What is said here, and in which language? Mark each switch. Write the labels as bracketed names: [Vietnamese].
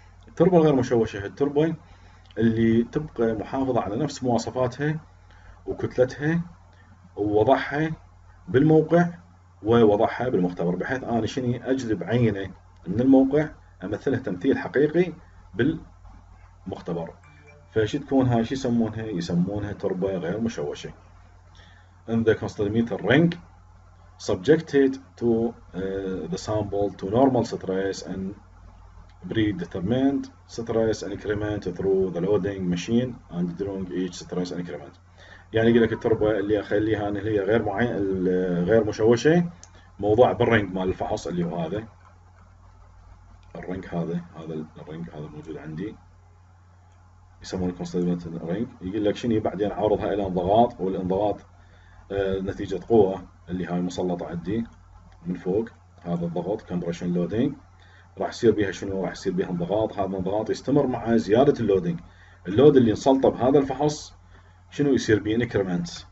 [Arabic] التربه الغير مشوشه هي التربه اللي تبقى محافظه على نفس مواصفاتها وكتلتها ووضعها بالموقع ووضعها بالمختبر، بحيث انا شنو اجذب عينه من الموقع امثلها تمثيل حقيقي بال مختبر. فشي تكون هاي شي يسمونها؟ يسمونها تربة غير مشوشة. [English] In the constellimeter ring subjected to the sample to normal stress and predetermined stress increment through the loading machine and during each stress increment. [Arabic] يعني يقول لك التربة اللي اخليها ان هي غير معين غير مشوشة موضوع بالرنج مال الفحص اللي هو هذا الرنج، هذا الرنج هذا موجود عندي يسمونه كونستنت رينج. يقول لك شنو؟ بعدين اعرضها الى انضغاط، والانضغاط نتيجه قوه اللي هاي مسلطه عندي من فوق، هذا الضغط كومبريشن لودينج راح يصير بها شنو؟ راح يصير بها انضغاط، هذا الانضغاط يستمر مع زياده اللودينج، اللود اللي انسلطه بهذا الفحص شنو يصير بيه؟ انكرمنت،